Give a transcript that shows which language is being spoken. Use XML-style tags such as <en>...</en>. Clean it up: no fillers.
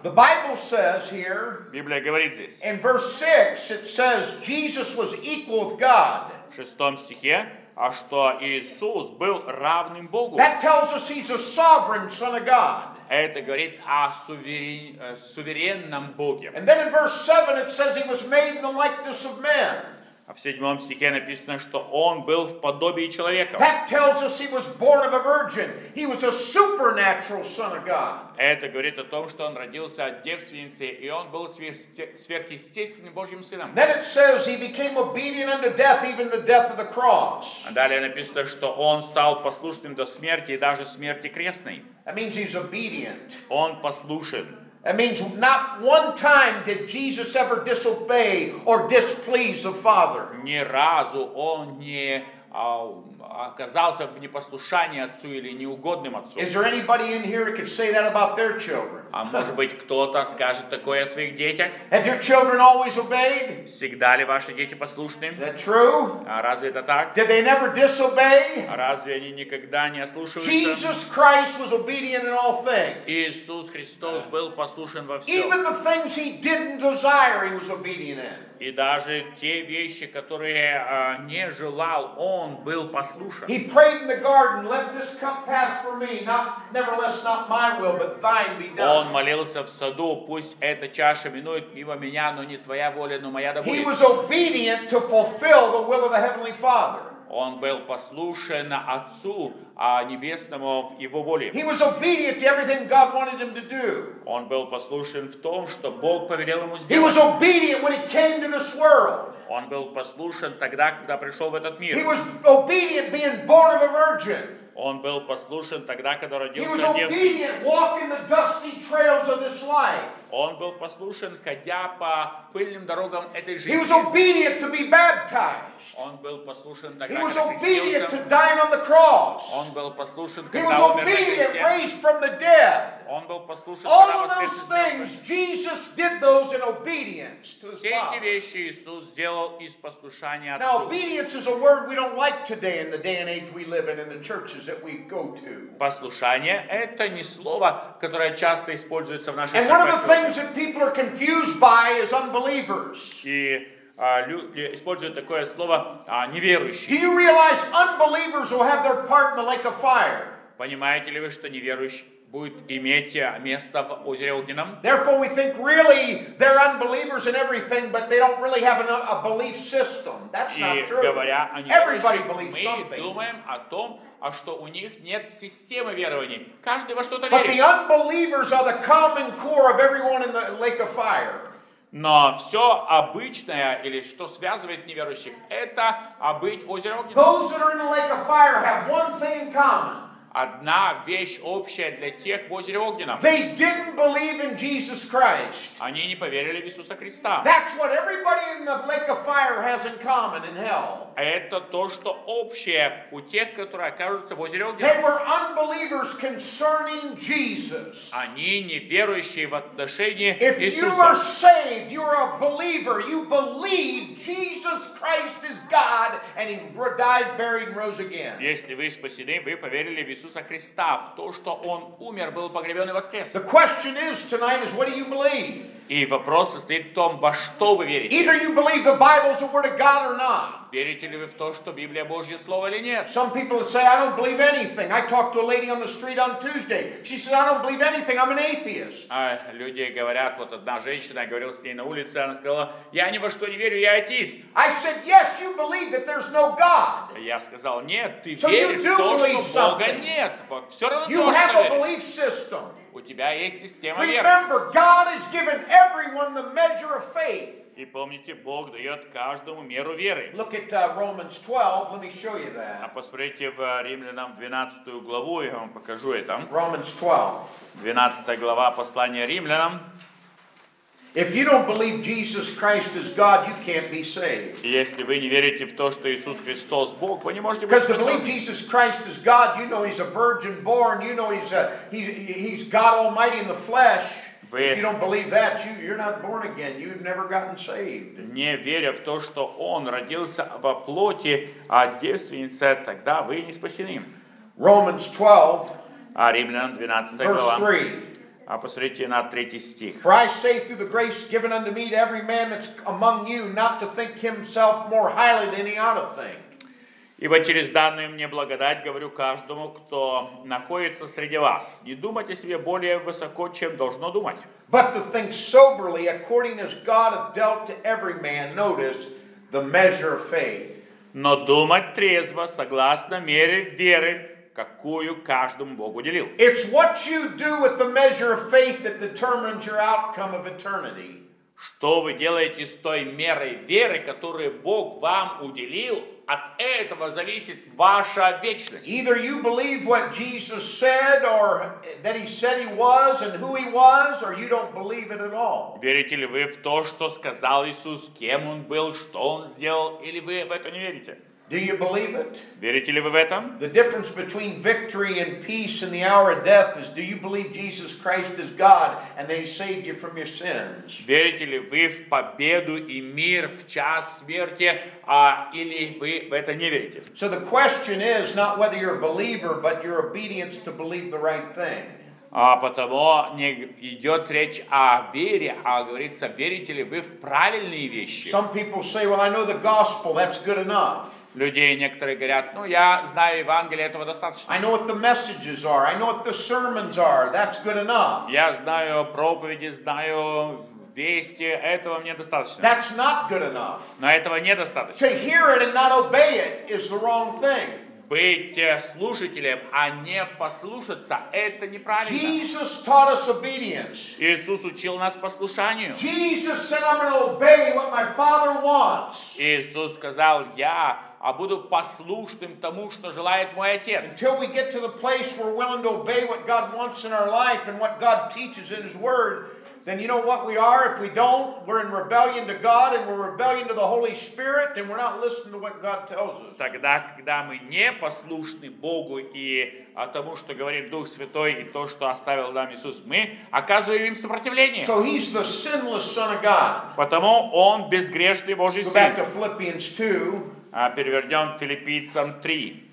<en>The Bible says here.</en> <ru>Библия говорит здесь.</ru> <en>In verse 6 it says Jesus was equal with God.</en> <ru>В шестом стихе, а что Иисус был равным Богу.</ru> <en>That tells us he's a sovereign son of God.</en> <ru>Это говорит о суверенном Боге.</ru> <en>And then in verse 7 it says he was made in the likeness of man.</en> <ru>А в седьмом стихе написано, что он был в подобии человека.</ru> <en>That tells us he was born of a virgin. He was a supernatural son of God.</en> <ru>Это говорит о том, что он родился от девственницы, и он был сверхъестественным Божьим сыном.</ru> <en>Then it says he became obedient unto death, even the death of the cross.</en> <ru>А далее написано, что он стал послушным до смерти, и даже смерти крестной.</ru> <en>That means he's obedient.</en> <ru>Он послушен.</ru> <en>That means not one time did Jesus ever disobey or displease the Father.</en> <ru>Ни разу он не оказался в непослушании отцу или неугодным отцу.</ru> <en>Is there anybody in here who could say that about their children?</en> <ru>А может быть кто-то скажет такое о своих детях?</ru> <en>Have your children always obeyed?</en> <ru>Всегда ли ваши дети послушны?</ru> <en>Is that true?</en> <ru>А разве это так?</ru> <en>Did they never disobey?</en> <ru>А разве они никогда не ослушались?</ru> <en>Jesus Christ was obedient in all things.</en> <ru>Иисус Христос был послушен во всем.</ru> <en>Even the things he didn't desire, he was obedient in.</en> <ru>И даже те вещи, которые не желал, он был послушен.</ru> <en>He prayed in the garden, let this cup pass from me, not nevertheless not my will, but thine be done.</en> <ru>Он молился в саду, пусть эта чаша минует мимо меня, но не твоя воля, но моя да будет.</ru> <en>He was obedient to fulfill the will of the Heavenly Father.</en> <ru>Он был послушен Отцу Небесному в Его воле.</ru> <en>He was obedient to everything God wanted him to do.</en> <ru>Он был послушен в том, что Бог повелел ему сделать.</ru> <en>He was obedient when he came to this world.</en> <ru>Он был послушен тогда, когда пришел в этот мир.</ru> <en>He was obedient being born of a virgin.</en> <ru>Он был послушен тогда, когда родился Дев. Он был послушен, ходя по пыльным дорогам этой жизни.</ru> <en>He was obedient to be baptized.</en> <ru>Он был послушен тогда,</ru> <en>he was obedient to dying on the cross.</en> <ru>Он был послушен,</ru> <en>he was obedient raised from the dead.</en> <ru>Он был послушен,</ru> <en>all of those things Jesus did those in obedience to his Father.</en> <ru>Все эти вещи Иисус сделал из послушания Отцу.</ru> <en>Now obedience is a word we don't like today in the day and age we live in the churches that we go to.</en> <ru>Послушание это не слово, которое часто используется в наших церквях.</ru> <en>The things that people are confused by is unbelievers.</en> <ru>И люди используют такое слово неверующие.</ru> <en>Do you realize unbelievers will have their part in the lake of fire?</en> <ru>Понимаете ли вы, что неверующий будет иметь место в озере огненном?</ru> <en>Therefore, we think really they're unbelievers in everything, but they don't really have a belief system. That's</en> <ru>и</ru> <en>not true.</en> <ru>Говоря о неверующих, мы думаем о том. А что у них нет системы верований. Каждый во что-то верит.</ru> <en>But the unbelievers are the common core of everyone in the lake of fire.</en> <ru>Но все обычное, или что связывает неверующих, это быть в озере огненном.</ru> <en>Those that are in the lake of fire have one thing in common.</en> <ru>Одна вещь общая для тех в озере огненном.</ru> <en>They didn't believe in Jesus Christ.</en> <ru>Они не поверили в Иисуса Христа.</ru> <en>That's what everybody in the lake of fire has in common in hell.</en> <ru>Это то, что общее у тех, которые окажутся в озере огненном.</ru> <en>They were unbelievers concerning Jesus.</en> <ru>Они неверующие в отношении</ru> <en>if</en> <ru>Иисуса.</ru> <en>If you are saved, you're a believer. You believe Jesus Christ is God, and He died, buried, and rose again.</en> <ru>Если вы спасены, вы поверили в Иисуса. Иисуса Христа, в то, что Он умер, был погребен и воскрес.</ru> <en>The question is tonight is what do you believe?</en> <ru>И вопрос состоит в том, во что вы верите.</ru> <en>Either you believe the Bible is the word of God or not.</en> <ru>Верите ли вы в то, что Библия Божье слово или нет?</ru> <en>Some people say I don't believe anything. I talked to a lady on the street on Tuesday. She said I don't believe anything. I'm an atheist.</en> <ru>А люди говорят, вот одна женщина, я говорил с ней на улице, она сказала, я ни во что не верю, я атеист.</ru> <en>I said yes, you believe that there's no God.</en> <ru>Я сказал нет, ты веришь в то, что Бога нет. Все равно ты можешь верить.</ru> <en>You have a belief system.</en> <ru>У тебя есть система веры.</ru> <en>Remember, God has given everyone the measure of faith.</en> <ru>И помните, Бог дает каждому меру веры.</ru> <en>Look at Romans 12. Let me show you that.</en> <ru>А посмотрите в Римлянам 12 главу, я вам покажу это.</ru> <en>Romans 12.</en> <ru>12 глава послания Римлянам.</ru> <en>If you don't believe Jesus Christ is God, you can't be saved.</en> <ru>Если вы не верите в то, что Иисус Христос Бог, вы не можете быть спасены.</ru> <en>Because to believe Jesus Christ is God, you know He's a virgin born, you know He's God Almighty in the flesh. If you don't believe that, you're not born again. You've never gotten saved.</en> <ru>Не веря в то, что Он родился во плоти, а девственница, тогда вы не спасены.</ru> <en>Romans 12.</en> <ru>А Римлянам 12 глава.</ru> <en>Verse 3.</en> <ru>А посмотрите на третий стих.</ru> <en>For I say through the grace given unto me to every man that's among you not to think himself more highly than he ought to think.</en> <ru>Ибо через данную мне благодать говорю каждому, кто находится среди вас, не думать о себе более высоко, чем должно думать.</ru> <en>But to think soberly, according as God hath dealt to every man, notice, the measure of faith.</en> <ru>Но думать трезво, согласно мере веры, какую каждому Бог уделил.</ru> <en>It's what you do with the measure of faith that determines your outcome of eternity.</en> <ru>Что вы делаете с той мерой веры, которую Бог вам уделил, от этого зависит ваша вечность.</ru> <en>Either you believe what Jesus said, or that He said He was, and who He was, or you don't believe it at all.</en> <ru>Верите ли вы в то, что сказал Иисус, кем Он был, что Он сделал, или вы в это не верите?</ru> <en>Do you believe it?</en> <ru>Верите ли вы в это?</ru> <en>The difference between victory and peace in the hour of death is, do you believe Jesus Christ is God and that He saved you from your sins?</en> <ru>Верите ли вы в победу и мир в час смерти, или вы в это не верите?</ru> <en>So the question is not whether you're a believer, but your obedience to believe the right thing.</en> <ru>А потому не идет речь о вере, а говорится, верите ли вы в правильные вещи.</ru> <en>Some people say, well, I know the gospel, that's good enough.</en> <ru>Людей некоторые говорят, ну, я знаю Евангелие, этого достаточно.</ru> <en>I know what the messages are, I know what the sermons are, that's good enough.</en> <ru>Я знаю проповеди, знаю вести, этого мне достаточно.</ru> <en>That's not good enough.</en> <ru>Но этого недостаточно.</ru> <en>To hear it and not obey it is the wrong thing.</en> <ru>Быть слушателем, а не послушаться, это неправильно.</ru> <en>Jesus taught us obedience.</en> <ru>Иисус учил нас послушанию.</ru> <en>Jesus said, I'm going to obey what my Father wants.</en> <ru>Иисус сказал, я буду послушным тому, что желает мой Отец.</ru> <en>Until we get to the place where we're willing to obey what God wants in our life and what God teaches in His Word, then you know what we are? If we don't, we're in rebellion to God and we're rebellion to the Holy Spirit and we're not listening to what God tells us.</en> <ru>Тогда, когда мы не послушны Богу и тому, что говорит Дух Святой и то, что оставил нам Иисус, мы оказываем им сопротивление.</ru> <en>So He's the sinless Son of God.</en> <ru>Потому Он безгрешный Божий Сын.</ru> <en>Go back to Philippians 2.</en> <ru>А перевернем Филиппийцам 3.</ru>